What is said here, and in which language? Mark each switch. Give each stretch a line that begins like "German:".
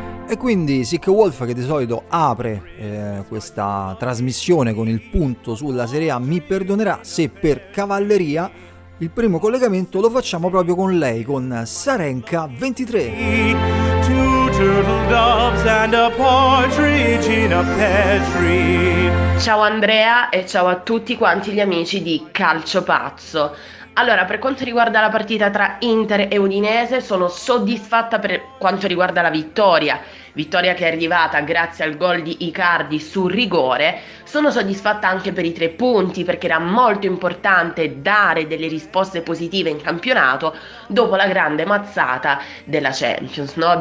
Italian: E quindi Sick Wolf, che di solito apre questa trasmissione con il punto sulla Serie A, mi perdonerà se per cavalleria il primo collegamento lo facciamo proprio con lei, con Sarenka 23.
English: Two turtle doves and a partridge in a pear tree.
Italian: Ciao Andrea e ciao a tutti quanti gli amici di Calcio Pazzo. Allora, per quanto riguarda la partita tra Inter e Udinese, sono soddisfatta per quanto riguarda la vittoria. Vittoria che è arrivata grazie al gol di Icardi sul rigore. Sono soddisfatta anche per i tre punti, perché era molto importante dare delle risposte positive in campionato dopo la grande mazzata della Champions, no?